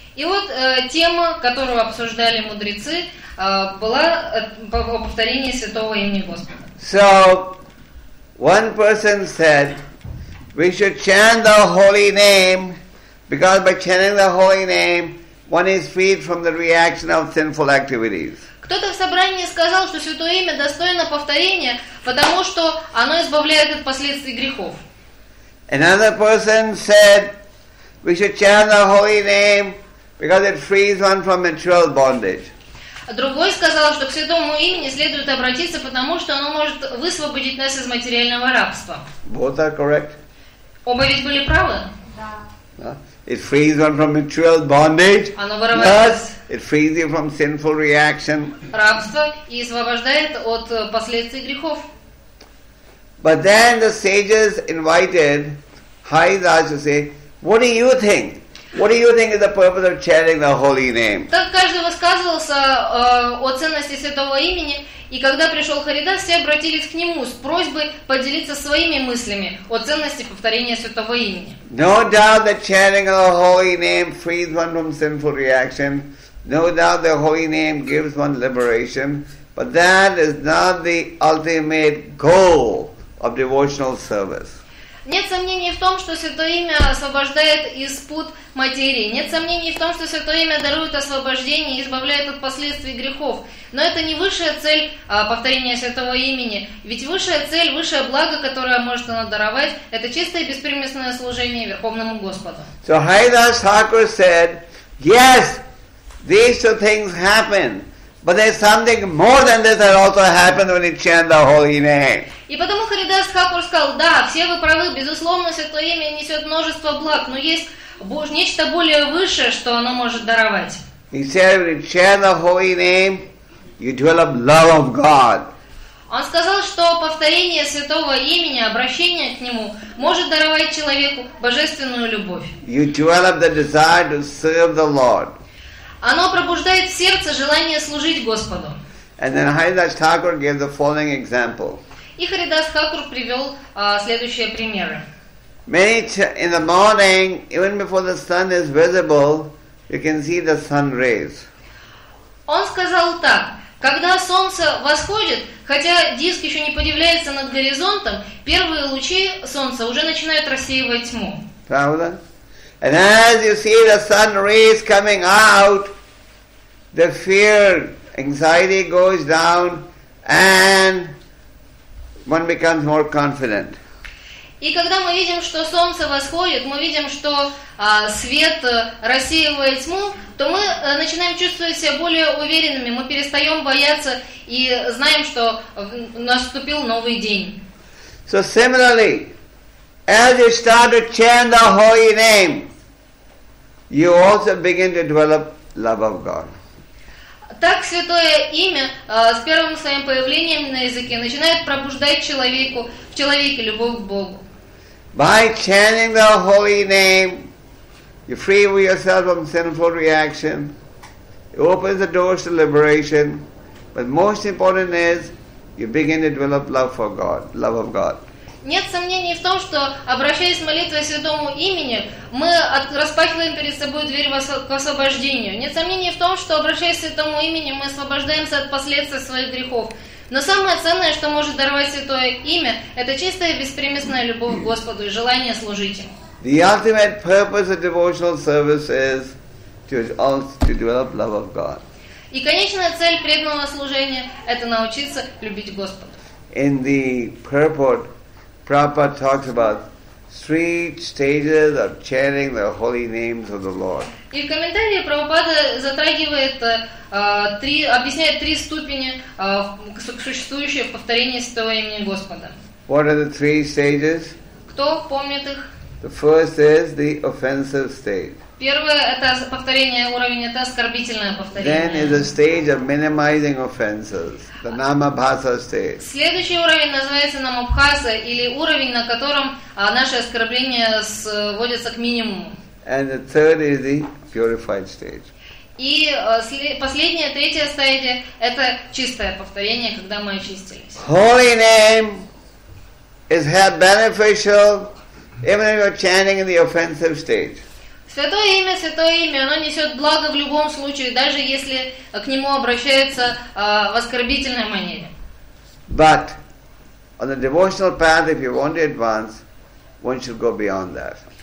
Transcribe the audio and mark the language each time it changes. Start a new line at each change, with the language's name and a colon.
Russian: И вот тема, которую обсуждали мудрецы, была повторение святого имени Господа.
English: So one person said, "We should chant the holy name, because by chanting the holy name, one is freed from the reaction of sinful activities."
Russian: Кто-то в собрании сказал, что святое имя достойно повторения, потому что оно избавляет от последствий грехов.
English: Another person said, "We should chant the holy name, because it frees one from material bondage."
Russian: Другой сказал, что к святому имени следует обратиться, потому что оно может высвободить нас из материального рабства.
English: Both are correct.
Russian: Оба ведь были правы? Да.
English: It frees one from material bondage.
Russian: Оно вырывает.
English: Yes. It frees you from sinful reaction.
Russian: Рабство и освобождает от последствий грехов.
English: But then the sages invited Haridas to say, "What do you think? What do you think is the purpose of chanting the holy name?"
Russian: Так каждый высказывался о ценности святого имени, и когда пришел Харидас, все обратились к нему с просьбой поделиться своими мыслями о ценности повторения святого имени.
English: No doubt that chanting the holy name frees one from sinful reaction. No doubt the holy name gives one liberation, but that is not the ultimate goal of devotional service.
Russian: Нет сомнений в том, что святое имя освобождает из пут материи. Нет сомнений в том, что святое имя дарует освобождение и избавляет от последствий грехов. Но это не высшая цель повторения святого имени. Ведь высшая цель, высшее благо, которое может оно даровать, это чистое беспримесное служение Верховному Господу.
English: So Haridas Thakur said, "Yes, these two things happen. But there's something more than this that also happened when you chant the holy name."
Russian: И потому Харидас Тхакур сказал, да, все вы правы, безусловно, святое имя несет множество благ, но есть нечто более высшее, что оно может даровать.
English: He said, "When you chant the holy name, you develop love of God."
Russian: Он сказал, что повторение святого имени, обращение к нему, может даровать человеку божественную любовь.
English: You develop the desire to serve the Lord.
Russian: Оно пробуждает в сердце желание служить Господу.
English: And then Haridas Thakur gave the following example.
Russian: И Харидас Тхакур привел следующие примеры.
English: Many in the morning, even before the sun is visible, you can see the sun rays.
Russian: Он сказал так: когда солнце восходит, хотя диск еще не появляется над горизонтом, первые лучи солнца уже начинают рассеивать тьму. Правда?
English: And as you see the sun rays coming out, the fear, anxiety goes down, and one becomes more confident.
Russian: И когда мы видим, что солнце восходит, мы видим, что свет рассеивает тьму, то мы начинаем чувствовать себя более уверенными, мы перестаем бояться и знаем, что наступил новый день.
English: So similarly, as you start to chant the holy name, you also begin to develop love of God.
Russian: Так святое имя с первым своим появлением на языке начинает пробуждать в человеке любовь к Богу.
English: By chanting the holy name, you free yourself from sinful reaction. It opens the doors to liberation. But most important is, you begin to develop love for God, love of God.
Russian: Нет сомнений в том, что обращаясь молитвой святому имени, мы распахиваем перед собой дверь к освобождению. Нет сомнений в том, что обращаясь к святому имени, мы освобождаемся от последствий своих грехов. Но самое ценное, что может даровать святое имя, это чистая беспримесная любовь к Господу и желание служить ему.
English: The ultimate purpose of devotional service is to develop love of God.
Russian: И конечная цель преданного служения – это научиться любить Господа.
English: In the purport, Prabhupada talks about three stages of chanting the holy names of the Lord.
Russian: И в комментарии Прабхупада затрагивает три, объясняет три ступени существующие в повторении святого имени Господа.
English: What are the three stages?
Russian: Кто помнит их?
English: The first is the offensive stage.
Russian: Первое это повторение уровень, это оскорбительное повторение.
English: Then is a stage of minimizing offenses, the Namabhasa stage.
Russian: Следующий уровень называется Намабхаса, или уровень, на котором наши оскорбления сводятся к минимуму.
English: And the third is the purified stage.
Russian: И последняя, третья стадия это чистое повторение, когда мы очистились.
English: Holy name is had beneficial. Even if you're chanting in the offensive stage.
Russian: Святое имя, оно несет благо в любом случае, даже если к нему обращается в оскорбительной манере.
English: But on the devotional path, if you want to advance, one should go beyond that.